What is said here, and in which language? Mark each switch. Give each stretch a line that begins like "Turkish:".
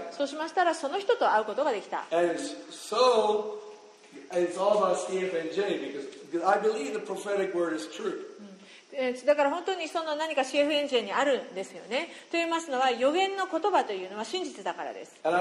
Japanese: そうしましたらその人と会うことができた。
English: And so it's all about CFNJ because I believe the prophetic word is true.
Japanese: だから本当にその何か CFNJ にあるんですよね。と言いますのは予言の言葉というのは真実だからです。